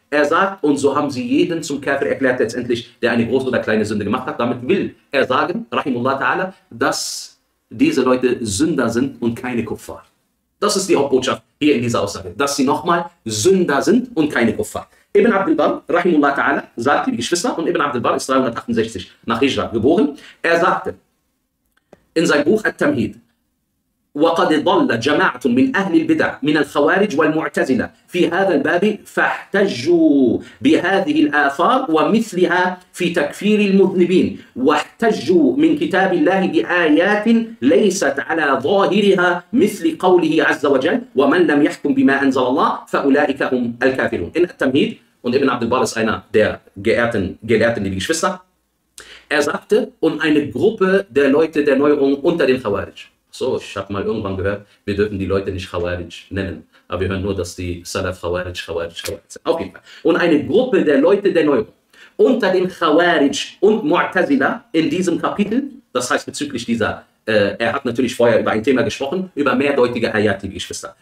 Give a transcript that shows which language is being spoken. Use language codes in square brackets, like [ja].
[de] Er sagt, und so haben sie jeden zum Kafir erklärt letztendlich, der eine große oder kleine Sünde gemacht hat. Damit will er sagen, rahimullah ta'ala, dass diese Leute Sünder sind und keine Kuffar. Das ist die Hauptbotschaft hier in dieser Aussage, dass sie nochmal Sünder sind und keine Kuffar. Ibn Abdul Barr, rahimullah ta'ala, sagte, die Geschwister, und Ibn Abdul Barr ist 368 nach Hijra geboren, er sagte in seinem Buch At-Tamhid, [ar] وقد ضل جماعة من أهل البدع من الخوارج والمعتزلة في هذا الباب فاحتجوا بهذه الآثار ومثلها في تكفير المذنبين واحتجوا من كتاب الله بآيات ليست على ظاهرها مثل قوله عز وجل ومن لم يحكم بما أنزل الله فأولئك هم الكافرون. إن التمهيد [de] und Ibn Abdul Barr ist einer der geehrten Gelehrten, die Geschwister. Er sagte, und eine Gruppe der Leute der Neuerung unter den Khawarij. So, ich habe mal irgendwann gehört, wir dürfen die Leute nicht Khawarij nennen. Aber wir hören nur, dass die Salaf Khawarij sind. Auf jeden Fall. Und eine Gruppe der Leute der Neuerung unter den Khawarij und Mu'tazila in diesem Kapitel, das heißt bezüglich dieser, er hat natürlich vorher über ein Thema gesprochen, über mehrdeutige Ayat, liebe Geschwister.